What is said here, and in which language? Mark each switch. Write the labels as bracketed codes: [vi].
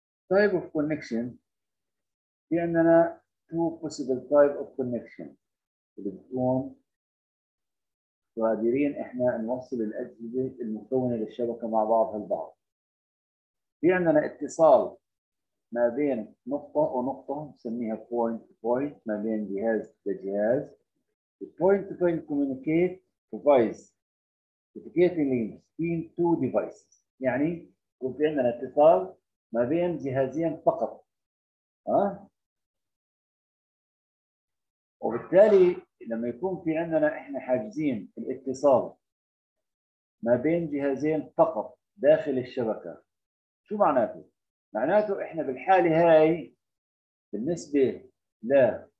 [ar] تايب اوف كونكشن، في عندنا تو بوسيبل تايب اوف كونكشن اللي بتكون قادرين احنا نوصل الاجهزه المكونه للشبكه مع بعضها البعض. في عندنا اتصال ما بين نقطة ونقطة نسميها point to point، ما بين جهاز لجهاز. [en] point to point communicate provides communicating links between two devices، [ar] يعني يكون في عندنا اتصال ما بين جهازين فقط. ها؟ وبالتالي لما يكون في عندنا احنا حاجزين الاتصال ما بين جهازين فقط داخل الشبكة، شو معناته؟ معناته احنا بالحاله هاي بالنسبه ل